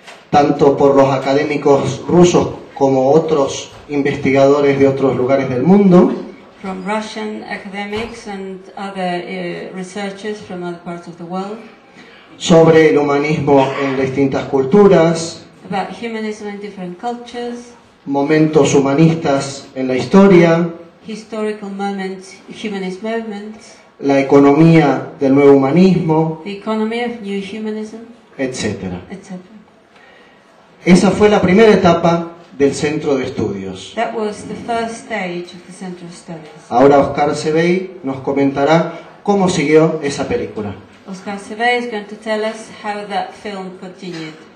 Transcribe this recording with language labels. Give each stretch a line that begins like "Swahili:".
Spanish: tanto por los académicos rusos como otros investigadores de otros lugares del mundo,
English: from Russian academics and other, researchers from other parts of the world,
Spanish: sobre el humanismo en distintas culturas,
English: about humanism in different cultures,
Spanish: momentos humanistas en la historia,
English: historical moments, humanist moments,
Spanish: la economía del nuevo humanismo,
English: the economy of new humanism,
Spanish: etc.
English: etc.
Spanish: Esa fue la primera etapa del centro de estudios.
English: That was the first stage of the center of studies.
Spanish: Ahora Oscar Sevey nos comentará cómo siguió esa película.
English: Oscar Sevey is going to tell us how that film continued.